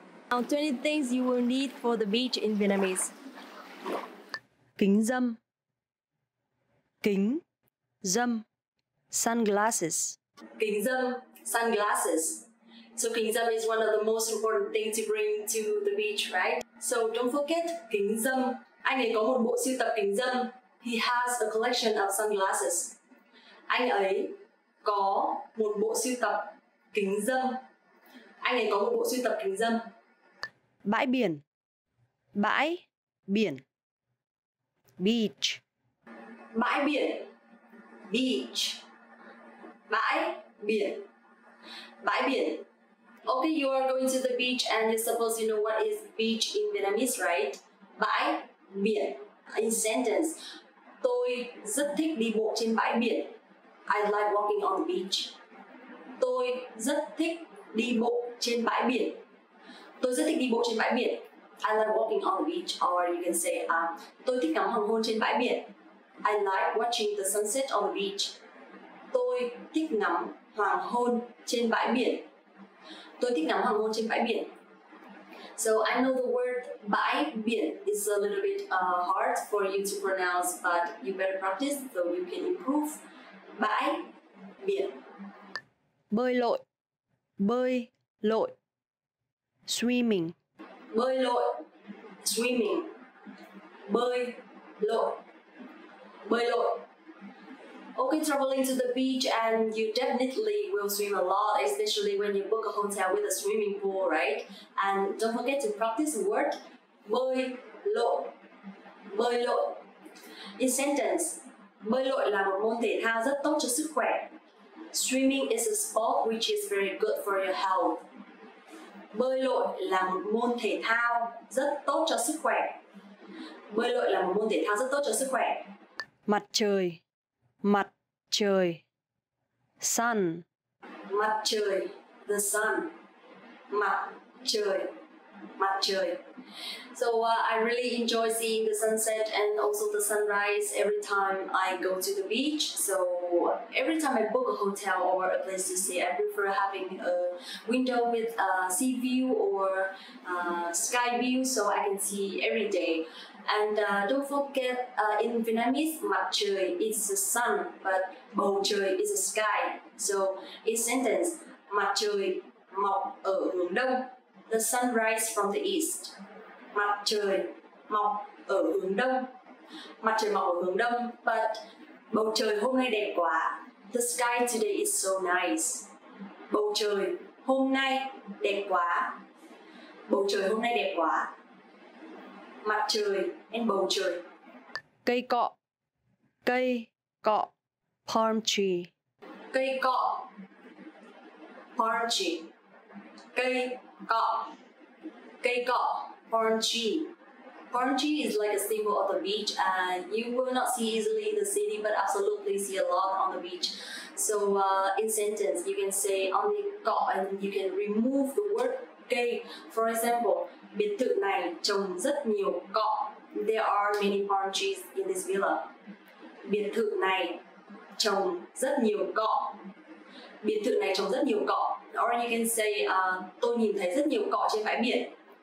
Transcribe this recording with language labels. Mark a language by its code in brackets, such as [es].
[en] Now, 20 things you will need for the beach in Vietnamese. [vi] Kính râm. Kính. Râm, sunglasses. Kính râm, sunglasses. [en] So kính râm is one of the most important things to bring to the beach, right? So don't forget kính râm. [vi] Anh ấy có một bộ sưu tập kính râm. [en] He has a collection of sunglasses. [vi] Anh ấy có một bộ sưu tập kính râm. Anh ấy có một bộ sưu tập kính râm. Bãi biển. Bãi biển. Beach. Bãi biển. Beach. Bãi biển. Bãi biển. [en] Okay, you are going to the beach and you suppose you know what is beach in Vietnamese, right? [vi] Bãi biển. [en] In sentence, [vi] tôi rất thích đi bộ trên bãi biển. [en] I like walking on the beach. [vi] Tôi rất thích đi bộ trên bãi biển. Tôi rất thích đi bộ trên bãi biển. [en] I like walking on the beach. Or you can say, [vi] tôi thích ngắm hoàng hôn trên bãi biển. [en] I like watching the sunset on the beach. [vi] Tôi thích ngắm hoàng hôn trên bãi biển. Tôi thích ngắm hoàng hôn trên bãi biển. [en] So I know the word bãi biển is a little bit hard for you to pronounce, but you better practice so you can improve. [vi] Bãi biển. Bơi lội. Bơi lội. Swimming. Bơi lội. Swimming. Bơi lội. Bơi lội. [en] Okay, traveling to the beach and you definitely will swim a lot, especially when you book a hotel with a swimming pool, right? And don't forget to practice the word bơi lội. [vi] Bơi lội. [en] In sentence, [vi] bơi lội là một môn thể thao rất tốt cho sức khỏe. [en] Swimming is a sport which is very good for your health. [vi] Bơi lội là một môn thể thao rất tốt cho sức khỏe. Bơi lội là một môn thể thao rất tốt cho sức khỏe. Mặt trời. Mặt trời. Sun. Mặt trời. The sun. Mặt trời. Mặt trời. [en] So I really enjoy seeing the sunset and also the sunrise every time I go to the beach. So every time I book a hotel or a place to stay, I prefer having a window with a sea view or sky view so I can see every day. And don't forget, in Vietnamese, mặt trời is the sun, but bầu trời is the sky. So in sentence, [vi] mặt trời mọc ở hướng đông, [en] the sun rises from the east. [vi] Mặt trời mọc ở hướng đông. Mặt trời mọc ở hướng đông, but bầu trời hôm nay đẹp quá. [en] The sky today is so nice. [vi] Bầu trời hôm nay đẹp quá. Bầu trời hôm nay đẹp quá. Mặt trời em bầu trời. Cây cọ. Cây cọ. Palm tree. Cây cọ. Palm tree. Cây cọ. Cây cọ. Palm tree. [en] Palm tree is like a symbol of the beach. You will not see easily in the city, but absolutely see a lot on the beach. So in sentence, you can say on the cọ and you can remove the word cây. For example, [vi] biệt thự này trồng rất nhiều cọ. [en] There are many palm trees in this villa. [vi] Biệt thự này trồng rất nhiều cọ. Biệt thự này trồng rất nhiều cọ. [en] Or you can say, [vi] tôi nhìn thấy rất nhiều cọ trên bãi biển.